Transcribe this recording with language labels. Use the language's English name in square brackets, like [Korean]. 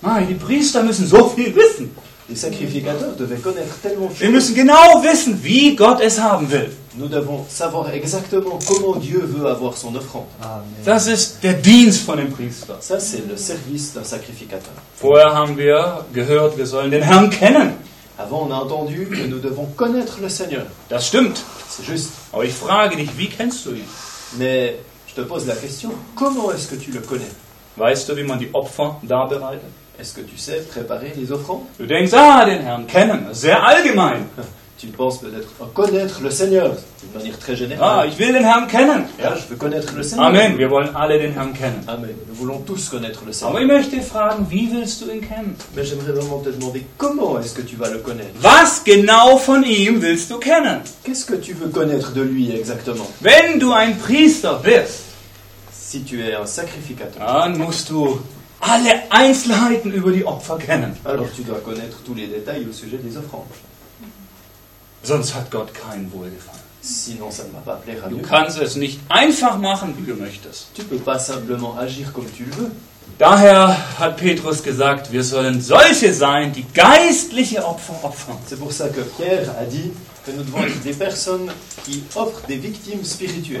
[German] Die Priester müssen so viel wissen. [French] Les sacrificateurs devaient connaître tellement de choses. [German] Wir müssen genau wissen, wie Gott es haben will. [French] Nous devons savoir exactement comment Dieu veut avoir son offrande. Amen. [German] Das ist der Dienst von dem Priester. [French] Ça, c'est le service d'un sacrificateur. [German] Vorher haben wir gehört, wir sollen den Herrn kennen. [French] Avant, on a entendu que nous devons connaître le Seigneur. [German] Das stimmt. [French] C'est juste. [German] Aber ich frage dich, wie kennst du ihn? [French] Mais je te pose la question, comment est-ce que tu le connais? [German] Weißt du, wie man die Opfer darbereitet? [French] Est-ce que tu sais préparer les offrandes? [German] Du denkst, den Herrn kennen, sehr allgemein. [French] Tu penses peut-être connaître le Seigneur, d'une manière très générale. [German] Ich will den Herrn kennen. Ja, [French] je veux connaître le Seigneur. [German] Amen, wir wollen alle den Herrn kennen. [French] Amen, nous voulons tous connaître le Seigneur. [German] Aber ich möchte fragen, wie willst du ihn kennen? [French] Mais j'aimerais vraiment te demander, comment est-ce que tu vas le connaître? [German] Was genau von ihm willst du kennen? [French] Qu'est-ce que tu veux connaître de lui exactement? [German] Wenn du ein Priester bist, [French] si tu es un sacrificateur, [German] dann musst du alle Einzelheiten über die Opfer kennen. [French] Alors tu dois connaître tous les détails au sujet des offrandes. [German] Sonst hat Gott keinen Wohlgefallen. [French] Sinon, ça ne va pas plaire à Dieu. [German] Du kannst es nicht einfach machen, wie du möchtest. [French] Tu peux pas simplement agir comme tu le veux. [German] Daher hat Petrus gesagt, wir sollen solche sein, die geistliche Opfer opfern. [French] C'est pour ça que Pierre a dit que nous devons être des personnes qui offrent des victimes spirituelles.